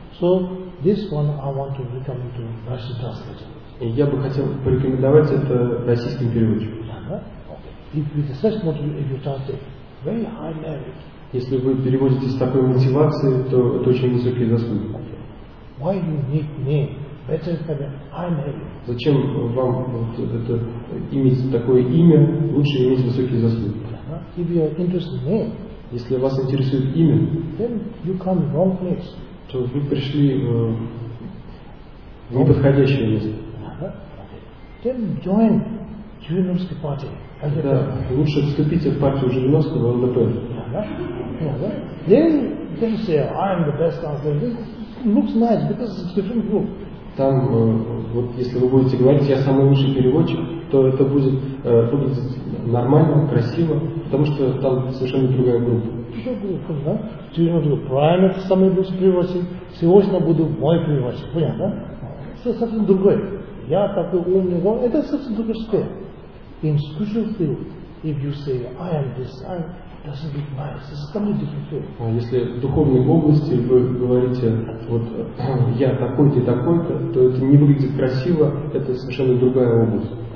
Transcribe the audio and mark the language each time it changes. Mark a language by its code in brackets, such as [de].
[en] So this one I want to recommend to Russian translators. [ru] И я бы хотел порекомендовать это российским переводчикам. [en] If with such motivation, if you translate, very high merit. [ru] Если вы переводите с такой мотивацией, то это очень высокие заслуги. [en] Why do you need name? Better than high merit. [ru] Зачем вам иметь такое имя? Лучше иметь высокие заслуги. [en] If you are interested in name. [ru] Если вас интересует имя, [en] then you come to wrong place. [ru] То вы пришли в неподходящее место. [en] Then join Zhirinovsky party. [ru] Да, лучше вступите в партию Жириновского ЛДПР. [en] Then say I am the best answer. This looks nice because it's a different group. [ru] Там, вот если вы будете говорить, я самый лучший переводчик, то это будет выглядеть нормально, красиво, потому что там совершенно другая группа. Другая группа, да? Правильно, это самый лучший переводчик, сегодня буду мой переводчик, понятно, да? Все совсем другое. Я такой умный, это совсем другое что. [en] In spiritual field, if you say, I am this, I doesn't look nice, it's a completely different field. [ru] А если в духовной области вы говорите, вот я такой-то и такой-то, то это не выглядит красиво, это совершенно другая область.